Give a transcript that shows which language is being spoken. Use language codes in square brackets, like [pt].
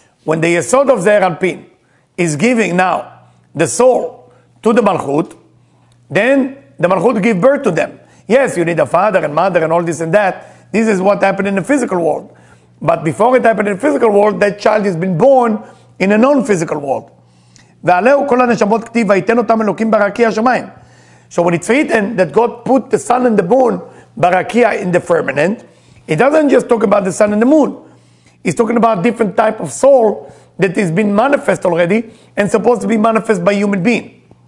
[en] When the יסוד of זר אנפין is giving now the soul to the מלכות, then the מלכות give birth to them. Yes, you need a father and mother and all this and that. This is what happened in the physical world. But before it happened in the physical world, that child has been born in a non-physical world. [he] ועליהו כל הנשמות כתיב, ויתן אותם אלוקים ברקיע השמיים. [en] So when it's written that God put the sun and the moon Barakia in the firmament, it doesn't just talk about the sun and the moon. It's talking about different type of soul that has been manifest already and supposed to be manifest by human being.